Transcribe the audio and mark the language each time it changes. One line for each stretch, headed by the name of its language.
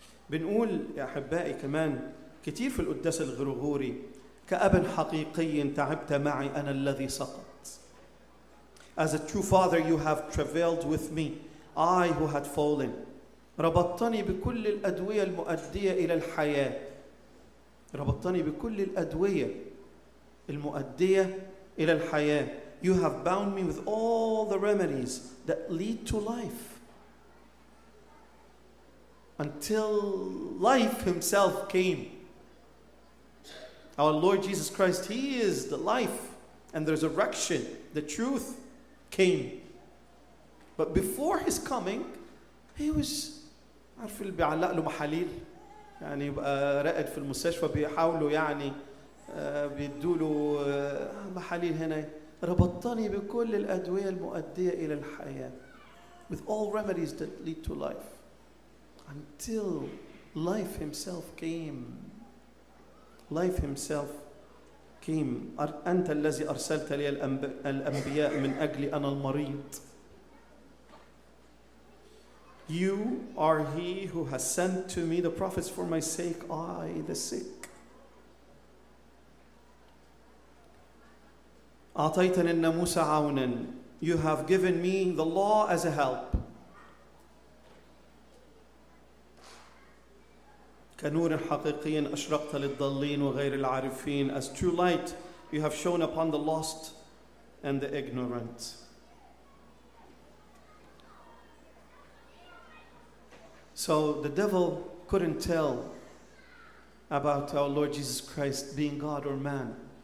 Arabic: بنقول يا أحبائي كمان كتير في القداس الغرغوري كأب حقيقي تعبت معي أنا الذي سقط.
English: As a true father you have travailed with me, I who had fallen.
Arabic: ربطتني بكل الأدوية المؤدية إلى الحياة. ربطتني بكل الأدوية المؤدية إلى الحياة.
English: You have bound me with all the remedies that lead to life. Until life himself came. Our Lord Jesus Christ, he is the life and the resurrection. The truth came. But before his coming, he was...
Arabic: عارف اللي بيعلق له محاليل يعني يبقى رائد في المستشفى بيحاولوا يعني بيدوا له محاليل هنا ربطتني بكل الأدوية المؤدية إلى الحياة.
English: With all remedies that lead to life. Until life himself came. Life himself came.
Arabic: أنت الذي أرسلت لي الأنبياء من أجلي أنا المريض.
English: You are he who has sent to me the prophets for my sake, I the sick.
Arabic: أعطيتني الناموس عونا.
English: You have given me the law as a help.
Arabic: كنور حقيقي أشرقت للضالين وغير العارفين.
English: As true light, you have shone upon the lost and the ignorant. So the devil couldn't tell about our Lord Jesus Christ being God or man.